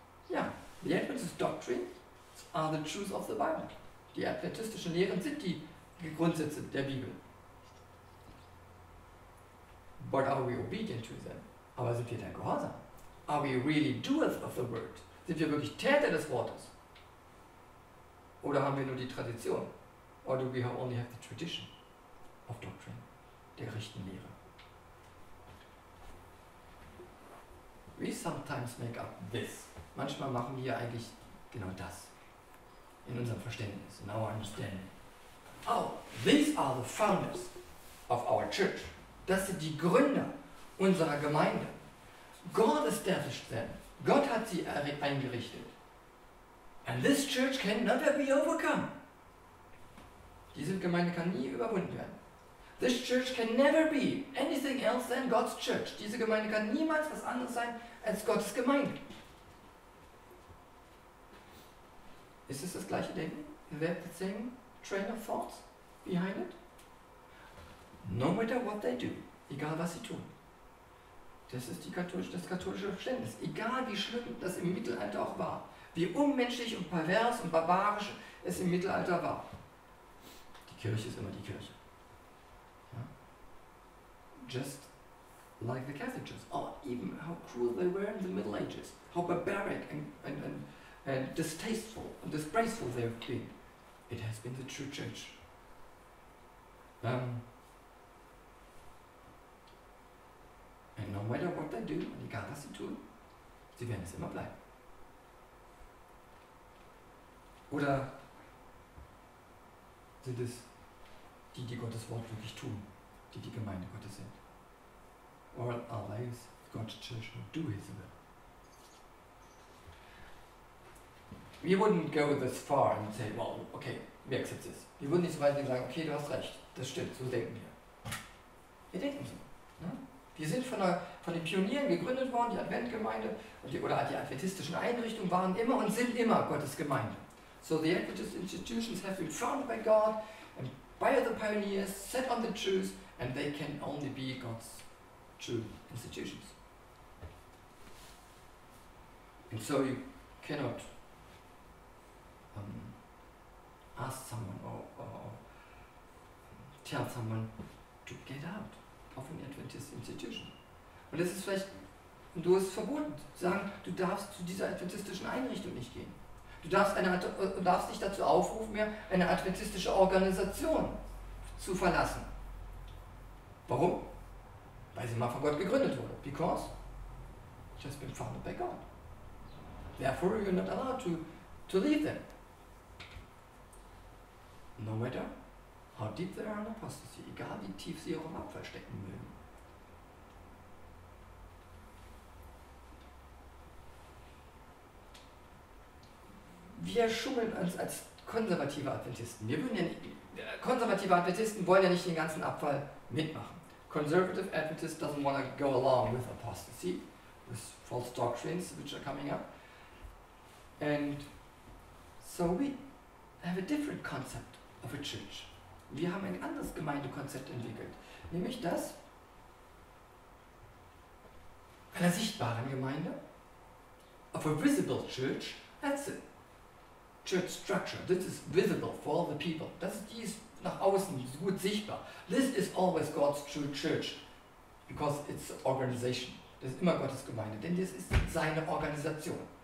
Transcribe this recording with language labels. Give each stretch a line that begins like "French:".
English: Ja, the Adventist doctrine are the truths of the Bible.
German: Die adventistischen Lehren sind die Grundsätze der Bibel.
English: But are we obedient to them?
German: Aber sind wir dann gehorsam?
English: Are we really doers of the word?
German: Sind wir wirklich Täter des Wortes? Oder haben wir nur die Tradition?
English: Or do we only have the tradition of doctrine,
German: der rechten Lehre?
English: We sometimes make up this.
German: Manchmal machen wir eigentlich genau das. In unserem Verständnis,
English: in our understanding. Oh, these are the founders of our church.
German: Das sind die Gründer unserer Gemeinde.
English: God established them.
German: Gott hat sie eingerichtet.
English: And this church can never be overcome.
German: Diese Gemeinde kann nie überwunden werden.
English: This church can never be anything else than God's church.
German: Diese Gemeinde kann niemals was anderes sein als Gottes Gemeinde. Ist es das gleiche Denken?
English: Is that the same train of thought behind it. No matter what they do,
German: egal was sie tun. Das ist das katholische Verständnis. Egal wie schlimm das im Mittelalter auch war, wie unmenschlich und pervers und barbarisch es im Mittelalter war. Die Kirche ist immer die Kirche.
English: Just like the Catholics, or even how cruel they were in the Middle Ages, how barbaric and distasteful and disgraceful they have been. It has been the true church. And no matter what they do, and
German: egal was sie tun, sie werden es immer bleiben. Oder sind es die, die Gottes Wort wirklich tun, die die Gemeinde Gottes sind?
English: Or are they God's church who do his will? We wouldn't go this far and say, well, okay, we accept this. We wouldn't
German: nicht so weit gehen und sagen, okay, du hast recht, das stimmt, so denken wir. Wir denken so. Ne? Wir sind von den Pionieren gegründet worden, die Adventgemeinde, oder die adventistischen Einrichtungen waren immer und sind immer Gottes Gemeinde.
English: So the Adventist institutions have been founded by God and by the pioneers, set on the truth, and they can only be God's true institutions. And so you cannot ask someone or tell someone to get out of an Adventist institution.
German: Und das ist vielleicht, und du hast verboten, sagen, du darfst zu dieser adventistischen Einrichtung nicht gehen. Du darfst nicht dazu aufrufen, mehr eine adventistische Organisation zu verlassen. Warum? Weil sie mal von Gott gegründet wurde.
English: Because it has been founded by God. Therefore you're not allowed to leave them. No matter how deep they are in apostasy,
German: egal wie tief sie auch im Abfall stecken mögen. Wir schummeln uns als konservative Adventisten. Konservative Adventisten wollen ja nicht den ganzen Abfall mitmachen.
English: Conservative Adventist doesn't want to go along with apostasy, with false doctrines which are coming up. And so we have a different concept of a church.
German: Wir haben ein anderes Gemeindekonzept entwickelt, nämlich das einer sichtbaren Gemeinde,
English: of a visible church. That's it. Church structure. This is visible for all the people.
German: Das ist dies nach außen, ist gut sichtbar.
English: This is always God's true church, because it's organization.
German: Das ist immer Gottes Gemeinde, denn das ist seine Organisation.